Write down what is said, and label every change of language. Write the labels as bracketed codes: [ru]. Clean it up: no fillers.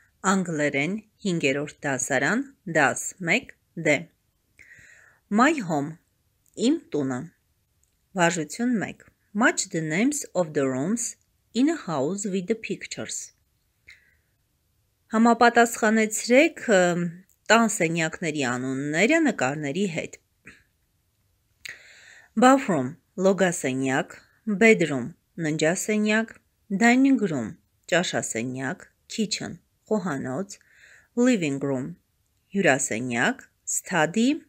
[hy] Անգլերեն 5-րդ դասարան, դաս 1, D. [en] My home. [hy] Իմ տունը. Վարժություն 1. [en] Match the names of the rooms in a house with the pictures. [hy] Համապատասխանեցրեք տան սենյակների անունները նկարների հետ. [en] Bathroom. [hy] Լոգասենյակ. [en] Bedroom. [hy] Ննջասենյակ. [en] Dining room. [hy] Ճաշասենյակ. [en] Kitchen. [hy] Խոհանոց. [en] Living room. [hy] Հյուրասենյակ. [en] Study.